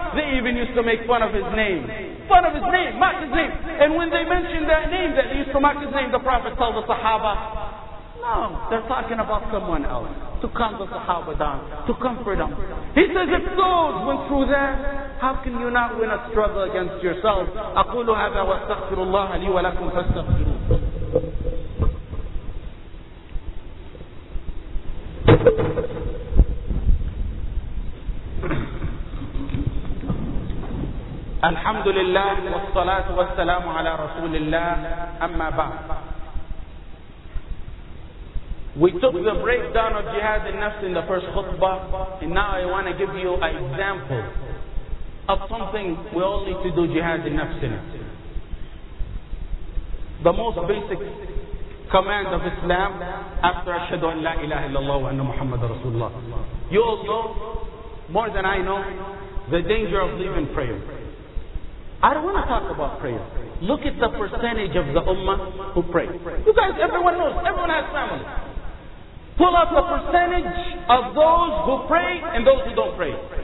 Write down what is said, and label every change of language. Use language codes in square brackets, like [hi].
[en] They even used to make fun of his name. Fun of his name, mock his name. And when they mentioned that name, that they used to mock his name, the Prophet told the Sahaba, no, they're talking about someone else. To calm the Sahaba down, to comfort them. He says, if those went through that, how can you not win a struggle against yourself? [ar] أقول هذا واستغفر الله لي ولكم فاستغفروا. الحمد لله والصلاة والسلام على رسول الله أما بعد. [en] We took the breakdown of jihad and nafs in the first khutbah, and now I want to give you an example of something we all need to do jihad and nafs in it. The most basic command of Islam after [ar] أشهد أن لا إله إلا الله وأن محمد رسول الله. [en] You all know, more than I know, the danger of leaving prayer. I don't want to talk about prayer. Look at the percentage of the ummah who pray. You guys, everyone knows, everyone has family. Pull up the percentage of those who pray and those who don't pray.